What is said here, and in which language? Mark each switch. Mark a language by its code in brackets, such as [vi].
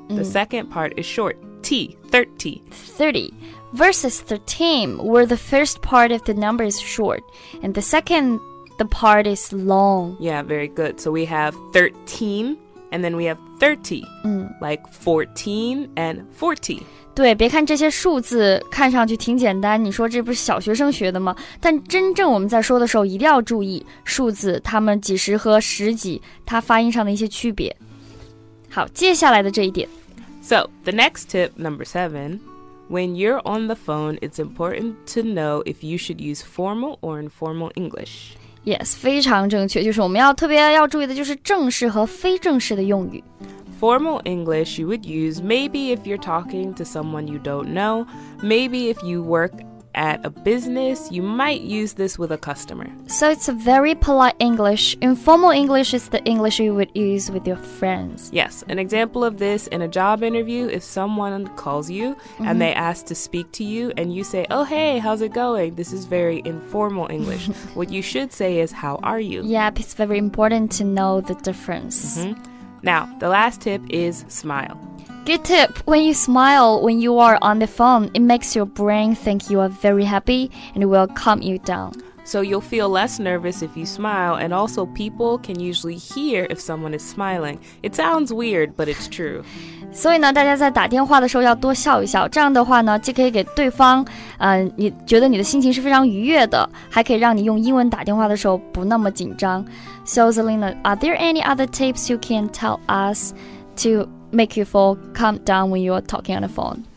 [en] The second part is short, t, 30. 30 versus 13, where the first part of the number is short, and the second, the part is long. Yeah, very good. So we have 13, and then we have 30, like 14 and 40. [zh] 对，别看这些数字看上去挺简单，你说这不是小学生学的吗？但真正我们在说的时候一定要注意数字它们几十和十几它发音上的一些区别。好，接下来的这一点。 [en] So, the next tip, number 7, when you're on the phone, it's important to know if you should use formal or informal English. [zh] Yes, 非常正确，就是我们要特别要注意的就是正式和非正式的用语。 [en] Formal English you would use maybe if you're talking to someone you don't know. Maybe if you work at a business, you might use this with a customer. So it's a very polite English. Informal English is the English you would use with your friends. Yes, an example of this in a job interview, if someone calls you and they ask to speak to you and you say, oh hey, how's it going? This is very informal English. What you should say is, how are you? Yep, it's very important to know the difference. Now, the last tip is smile. Good tip. When you smile when you are on the phone, it makes your brain think you are very happy and it will calm you down. So you'll feel less nervous if you smile, and also people can usually hear if someone is smiling. It sounds weird, but it's true. [zh] 所以呢，大家在打电话的时候要多笑一笑，这样的话呢，既可以给对方，你觉得你的心情是非常愉悦的，还可以让你用英文打电话的时候不那么紧张。 [en] So Zelina, are there any other tips you can tell us to make you feel calm down when you are talking on the phone?